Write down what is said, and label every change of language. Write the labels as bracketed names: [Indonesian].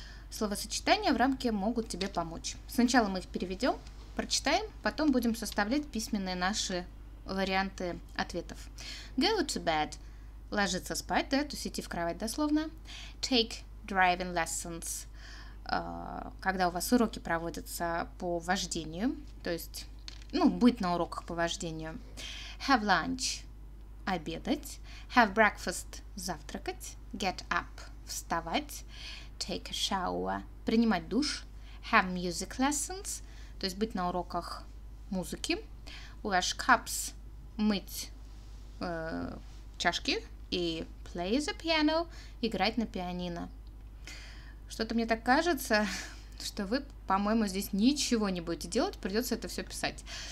[Russian] Словосочетания в рамке могут тебе помочь. Сначала мы их переведем, прочитаем, потом будем составлять письменные наши варианты ответов. [English] Go to bed. [Russian] Ложиться спать, да, то есть идти в кровать дословно. [English] Take driving lessons. [Russian] Когда у вас уроки проводятся по вождению, то есть, ну, быть на уроках по вождению. [English] Have lunch – [Russian] обедать. [English] Have breakfast – [Russian] завтракать. [English] Get up – [Russian] вставать. [English] Take a shower – [Russian] принимать душ. [English] Have music lessons [Russian] – то есть быть на уроках музыки. [English] Wash cups – [Russian] мыть чашки. И [English] play the piano [Russian] – играть на пианино. Что-то мне так кажется, что вы, по-моему, здесь ничего не будете делать, придется это все писать.